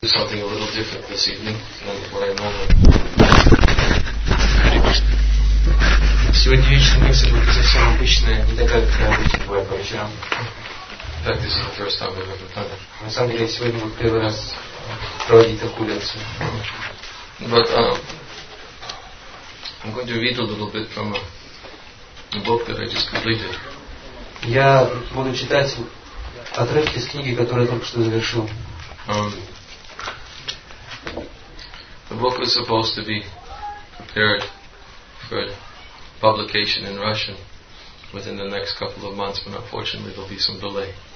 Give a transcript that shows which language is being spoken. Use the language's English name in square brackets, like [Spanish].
[English] something a little different this evening than what I normally do. [Russian] Сегодня вечером мы собрались совсем обычно, не такая, как обычно бывает по вечерам. [English] Так, this is the first time we've ever done. [Russian] На самом деле, сегодня мы первый раз проводить такую лекцию. [English] But I'm going to read a little bit from a book that I just completed. [Russian] Я буду читать отрывки из книги, которую я только что завершил. [English] The book was supposed to be prepared for publication in Russian within the next couple of months, but unfortunately there'll be some delay.